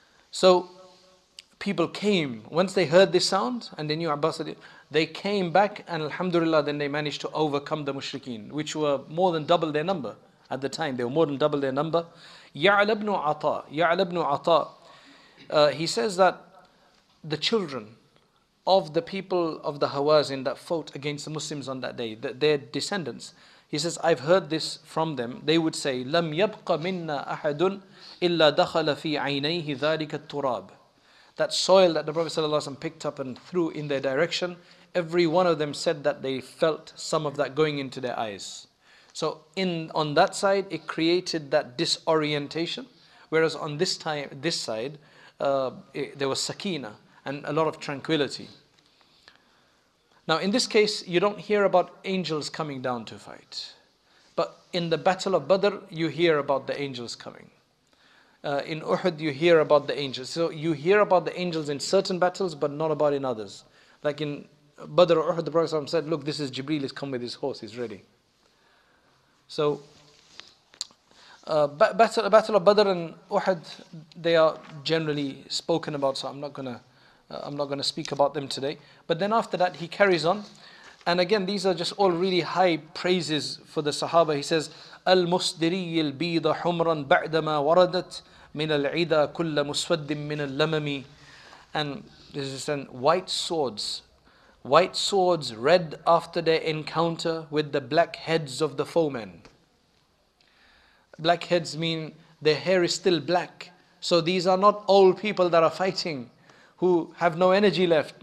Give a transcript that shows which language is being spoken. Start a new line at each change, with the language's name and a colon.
English: So people came. Once they heard this sound, and they knew Abbas, they came back, and alhamdulillah, then they managed to overcome the mushrikeen, which were more than double their number at the time. They were more than double their number. Ya'la ibn Ata, he says that the children of the people of the Hawazin that fought against the Muslims on that day, their descendants, he says, I've heard this from them. They would say,
Arabic: لَمْ يَبْقَ مِنَّا أَحَدٌ إِلَّا دَخَلَ فِي عَيْنَيْهِ ذَلِكَ التُّرَابِ.
English: That soil that the Prophet ﷺ picked up and threw in their direction, every one of them said that they felt some of that going into their eyes. So on that side, it created that disorientation. Whereas on this side, there was sakina and a lot of tranquility. Now in this case, you don't hear about angels coming down to fight. But in the Battle of Badr, you hear about the angels coming. In Uhud, you hear about the angels. So you hear about the angels in certain battles, but not about in others. Like in Badr or Uhud, the Prophet ﷺ said, look, this is Jibreel, he's come with his horse, he's ready. So, Battle of Badr and Uhud, they are generally spoken about, so I'm not going to speak about them today. But then after that, he carries on. And again, these are just all really high praises for the Sahaba. He says,
Arabic: المصدري البيض حمرا بعدما وردت من العدا كل مسود من اللمم.
English: And this is saying, white swords red after their encounter with the black heads of the foemen. Black heads mean their hair is still black. So these are not old people that are fighting, who have no energy left.